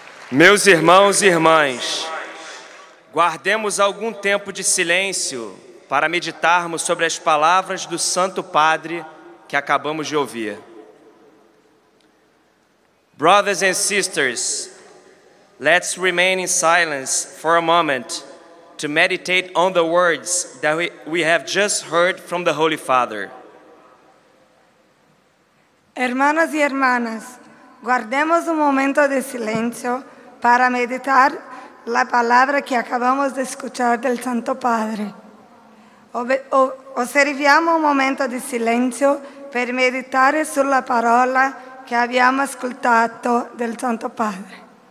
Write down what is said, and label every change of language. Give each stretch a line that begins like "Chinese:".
Portuguese: Meus irmãos e irmãs, guardemos algum tempo de silêncio para meditarmos sobre as palavras do Santo Padre que acabamos de ouvir.
English: Brothers and sisters, let's remain in silence for a moment to meditate on the words that we have just heard from the Holy Father.
Spanish: Hermanos y hermanas, guardemos un momento de silencio para meditar la palabra que acabamos de escuchar del Santo Padre.
Italian: Observiamo un momento de silencio per meditare sulla parola che abbiamo ascoltato del Santo Padre.